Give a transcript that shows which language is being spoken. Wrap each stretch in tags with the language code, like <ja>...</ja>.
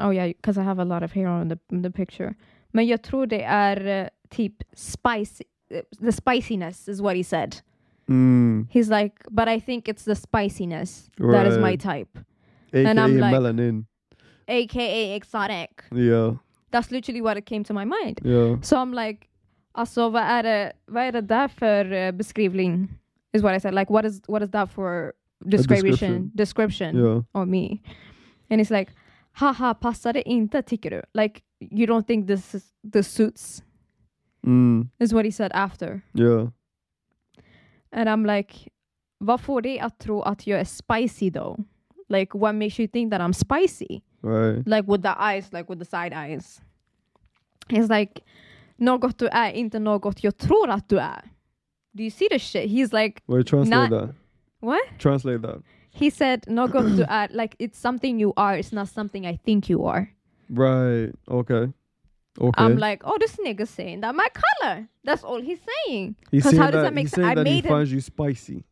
<en>Oh yeah, because I have a lot of hair on the picture.</en> <sv>Men jag tror det är typ spicy.</sv> <en>The spiciness is what he said. Mm. He's like, but I think it's the spiciness right. that is my type. AKA and I'm like, melanin. AKA exotic. Yeah. That's literally what it came to my mind. Yeah. So I'm like,</en> <sv>alltså, vad är det där för beskrivning?</sv> <en>Is what I said. Like, what is that for description yeah. on me? And it's like, haha,</en> <sv>passar det inte, tycker du?</sv> <en>Like, you don't think this suits? Mm. Is what he said after. Yeah. And I'm like,</en> <sv>vad får dig att tro att jag är spicy</sv> <en>though? Like, what makes you think that I'm spicy? Right. Like, with the eyes, like, with the side eyes. He's like,</en> <sv>något du är, inte något jag tror att du är.</sv> <en>Do you see the shit? He's like, wait, translate that. What? Translate that. He said,</en> <sv>något du är,</sv> <en>like, it's something you are, it's not something I think you are. Right, okay. Okay. I'm like, oh, this nigga's saying that my color. That's all he's saying. He's saying how does that make sense? I made it. He finds you spicy.</en>